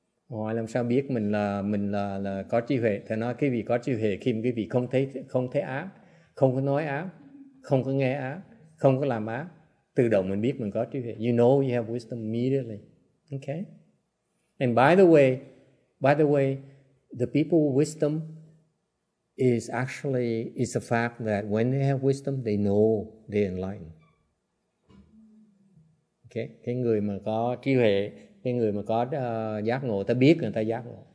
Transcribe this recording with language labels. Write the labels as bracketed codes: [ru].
[vi] Hỏi làm sao biết mình là có trí huệ? Thầy nói cái vị có trí huệ khi cái vị không thấy ác, không có nói ác, không có nghe ác, không có làm ác. Tự động mình biết mình có trí huệ. [en] You know you have wisdom immediately. Okay. And by the way, the people with wisdom is the fact that when they have wisdom, they know they're enlightened. Okay. [vi] Cái người mà có trí huệ, cái người mà có giác ngộ, ta biết người ta giác ngộ.